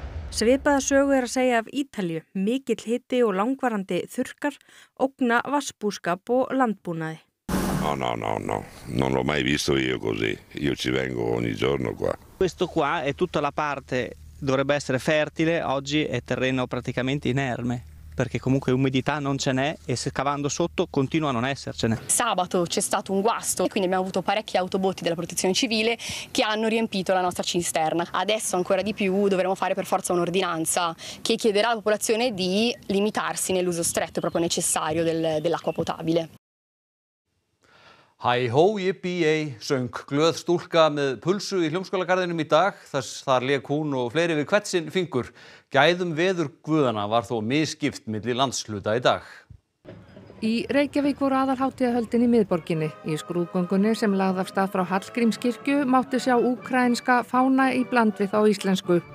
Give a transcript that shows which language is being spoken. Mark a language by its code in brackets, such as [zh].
[is] Svipaða sögu að segja af Ítalíu, mikill hiti og langvarandi þurkar, ógna vatnsbúskap og landbúnaði. [it] No, non l'ho mai visto io così. Io ci vengo ogni giorno qua. Questo qua è tutta la parte dovrebbe essere fertile, oggi è terreno praticamente inerme. Perché comunque umidità non ce n'è e scavando sotto continua a non essercene. Sabato c'è stato un guasto e quindi abbiamo avuto parecchi autobotti della protezione civile che hanno riempito la nostra cisterna. Adesso ancora di più dovremo fare per forza un'ordinanza che chiederà alla popolazione di limitarsi nell'uso stretto proprio necessario dell'acqua potabile. [en] Hi ho, yippee-ay, [is] söng glöð stúlka með pulsu í hljómskólagarðinum í dag, þar lék hún og fleiri við hvert sinn fingur. Gæðum veður guðana var þó misskipt milli landshluta í dag. Í Reykjavík voru aðalhátíðahöldin í miðborginni. Í skrúðgöngunni sem lagði af stað frá Hallgrímskirkju mátti sjá úkraínska fána í bland við þá íslensku.